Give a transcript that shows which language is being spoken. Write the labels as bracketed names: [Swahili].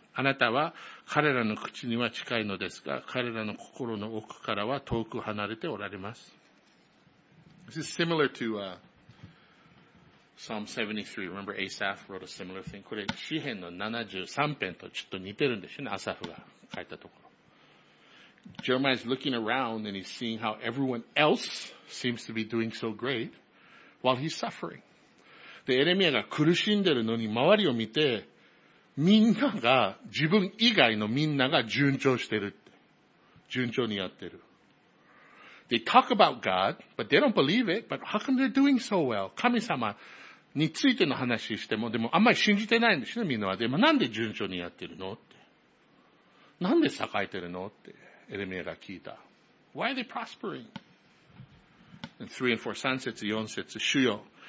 [Japanese] あなたは彼らの口には近いのですが、彼らの心の奥からは遠く離れておられます。 [English] This is similar to, Psalm 73. Remember Asaph wrote a similar thing. [Japanese] これ、詩篇の73篇とちょっと似てるんですよね。アサフが書いたところ。 [English] Jeremiah is looking around and he's seeing how everyone else seems to be doing so great while he's suffering. [Japanese] で、エレミアが苦しんでるのに周りを見て、みんなが、自分以外のみんなが順調してるって。順調にやってる。 [English] They talk about God, but they don't believe it, but how come they're doing so well? [Japanese] 神様についての話しても、でもあんまり信じてないんですね、みんなは。でもなんで順調にやってるのって。なんで栄えてるのって。エレミアが聞いた。 [English] Why are they prospering? [Japanese] 3 and 4, 3節、4節、主よ。